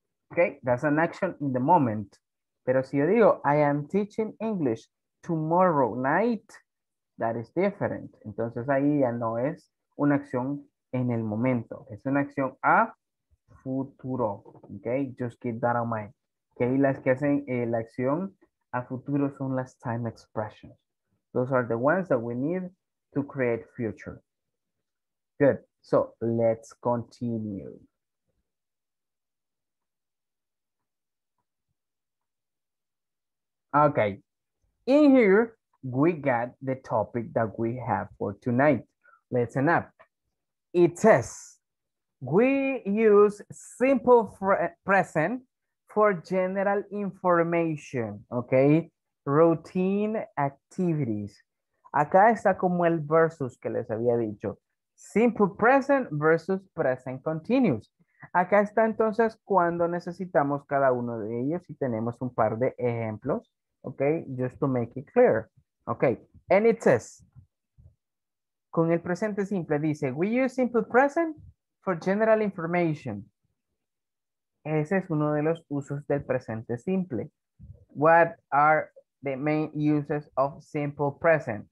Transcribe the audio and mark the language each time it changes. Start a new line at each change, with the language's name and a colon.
English: Okay, that's an action in the moment.
Spanish: Pero si yo digo
English: I am teaching English tomorrow night, that is different.
Spanish: Entonces ahí ya no es una acción en el momento. Es una acción a futuro. Ok.
English: Just keep that in mind.
Spanish: Ok. Las que hacen la acción a futuro son las time expressions.
English: Those are the ones that we need to create future. Good. So let's continue. Ok. In here, we got the topic that we have for tonight. Listen up. It says, we use simple present for general information, okay? Routine activities.
Spanish: Acá está como el versus que les había dicho.
English: Simple present versus present continuous.
Spanish: Acá está entonces cuando necesitamos cada uno de ellos y tenemos un par de ejemplos, okay?
English: Just to make it clear. Okay, and it says,
Spanish: con el presente simple, dice,
English: we use simple present for general information.
Spanish: Ese es uno de los usos del presente simple.
English: What are the main uses of simple present?